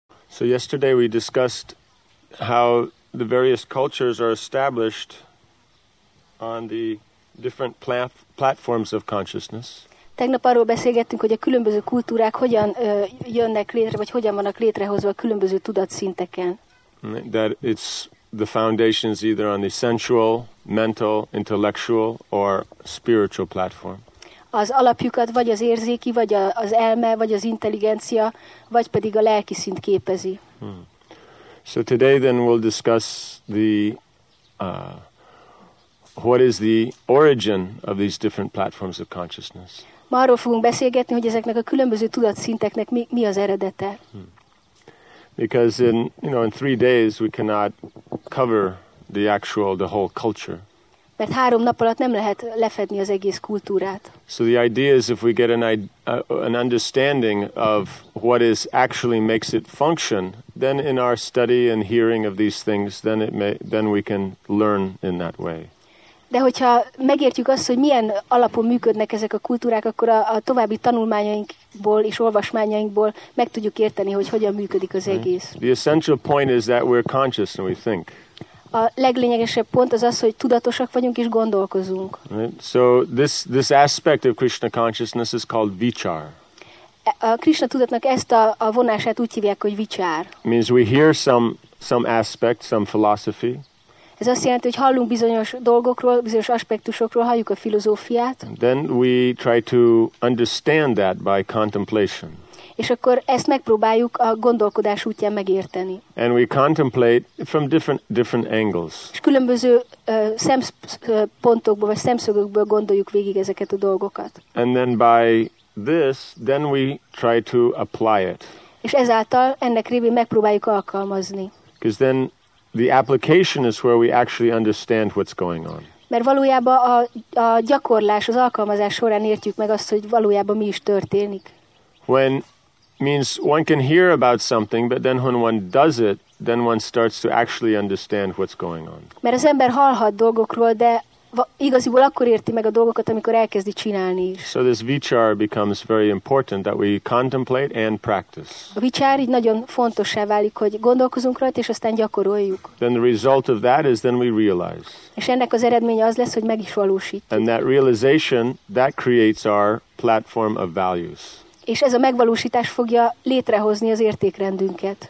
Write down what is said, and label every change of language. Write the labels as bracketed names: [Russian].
[English] So yesterday we discussed how the various cultures are established on the different platforms of consciousness. [Hungarian] Tegnap arról beszélgettünk, hogy a különböző kultúrák hogyan jönnek létre, vagy hogyan vannak létrehozva a különböző tudatszinteken. [English] That it's the foundations either on the sensual, mental, intellectual or spiritual platform. [Hungarian] Az alapjukat vagy az érzéki, vagy az elme, vagy az intelligencia, vagy pedig a lelki szint képezi. Hmm. [English] So today then we'll discuss the what is the origin of these different platforms of consciousness. [Hungarian] Ma arról fogunk beszélgetni, hogy ezeknek a különböző tudatszinteknek mi az eredete. Hmm. [English] Because in 3 days we cannot cover the whole culture. [Hungarian] Mert 3 nap alatt nem lehet lefedni az egész kultúrát. [English] So the idea is if we get an understanding of what is actually makes it function, then in our study and hearing of these things, then we can learn in that way. [Hungarian] De hogyha megértjük azt, hogy milyen alapon működnek ezek a kultúrák, akkor a további tanulmányainkból és olvasmányainkból meg tudjuk érteni, hogy hogyan működik az egész. [English] The essential point is that we're conscious and we think. [Hungarian] A leglényegesebb pont az az, hogy tudatosak vagyunk és gondolkozunk. [English] Right. So this aspect of Krishna consciousness is called vichar. [Hungarian] A Krishna tudatnak ezt a vonását úgy hívják, hogy vichar. [English] Means we hear some aspect, some philosophy. [Hungarian] Ez azt jelenti, hogy hallunk bizonyos dolgokról, bizonyos aspektusokról, halljuk a filozófiát. [English] Then we try to understand that by contemplation. [Hungarian] És akkor ezt megpróbáljuk a gondolkodás útján megérteni. [English] And we contemplate from different angles. [Hungarian] És különböző szempontokból vagy szemszögökből gondoljuk végig ezeket a dolgokat. [English] And then by this, then we try to apply it. [Hungarian] És ezáltal ennek révén megpróbáljuk alkalmazni. [English] Because then the application is where we actually understand what's going on. [Hungarian] Mert valójában a gyakorlás, az alkalmazás során értjük meg azt, hogy valójában mi is történik. [English] When means one can hear about something, but then when one does it, then one starts to actually understand what's going on. [Hungarian] Mert az ember hallhat dolgokról, de igaziból akkor érti meg a dolgokat, amikor elkezdi csinálni is. [English] So this vichar becomes very important that we contemplate and practice. [Hungarian] A vichar így nagyon fontossá válik, hogy gondolkozunk rajta, és aztán gyakoroljuk. [English] Then the result of that is then we realize. [Hungarian] És ennek az eredménye az lesz, hogy meg is valósítjuk. [English] And that realization, that creates our platform of values. [Hungarian] És ez a megvalósítás fogja létrehozni az értékrendünket.